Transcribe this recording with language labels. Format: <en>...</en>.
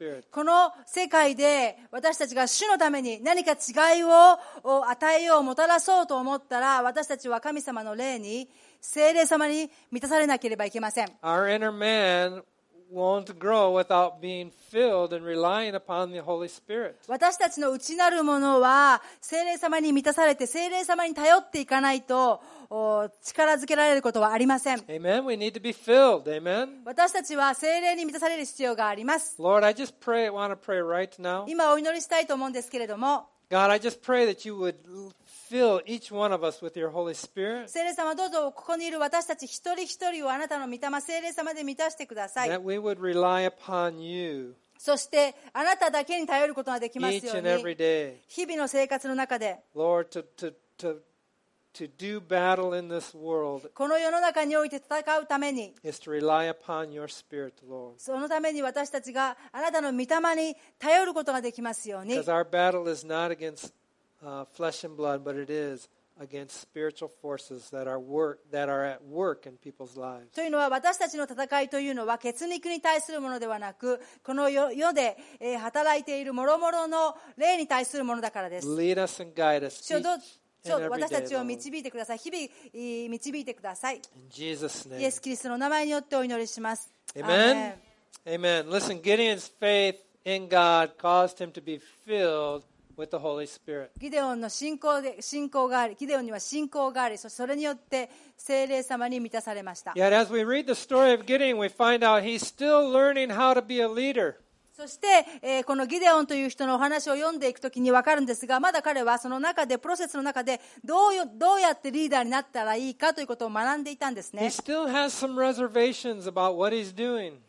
<ja>この世界で私たちが主のために何か違いを与えよう、もたらそうと思ったら、私たちは神様の霊に、聖霊様に満たされなければいけません。</ja> <en>Our inner man won't grow without being filled and relying upon the Holy Spirit.</en> <ja>私たちの内なるものは、聖霊様に満たされて、聖霊様に頼っていかないと、力づけられることはありません。</ja> <en>Amen. We need to be filled. Amen.</en> <ja>私たちは聖霊に満たされる必要があります。</ja> <en>Lord, I just pray, I want to pray right now.</en> <ja>今お祈りしたいと思うんですけれども。</ja> <en>God, I just pray that you would fill each one of us with your Holy Spirit.</en> <ja>聖霊様、どうぞここにいる私たち一人一人をあなたの御霊、聖霊様で満たしてください。</ja> <en>That we would rely upon you.</en> <ja>そしてあなただけに頼ることができますように。日々の生活の中で。</ja> <en>Lord, to do battle in this world,</en> <ja>この世の中において戦うために</ja> <en>is to rely upon your spirit, Lord.</en> <ja>そのために私たちがあなたの御霊に頼ることができますように。</ja> <en>Because our battle is not against flesh and blood, but it is against spiritual forces that are at work in people's lives.</en> <ja>というのは私たちの戦いというのは血肉に対するものではなく、この世で働いている諸々の霊に対するものだからです。</ja> <en>Lead us and guide us.</en> <ja>私たちを導いてください。日々導いてください。イエス・キリストの名前によってお祈りします。</ja> <en>Amen. Amen. Listen, Gideon's faith in God caused him to be filled with the Holy Spirit.</en> <ja>ギデオンの信仰があり、ギデオンには信仰があり、それによって聖霊様に満たされました。</ja> <en>Yet as we read the story of Gideon, we find out he's still learning how to be a leader.</en> <ja>そしてこのギデオンという人のお話を読んでいくときに分かるんですが、まだ彼はその中でプロセスの中でどうやってリーダーになったらいいかということを学んでいたんですね。</ja> <en>He still has some reservations about what he's doing.</en>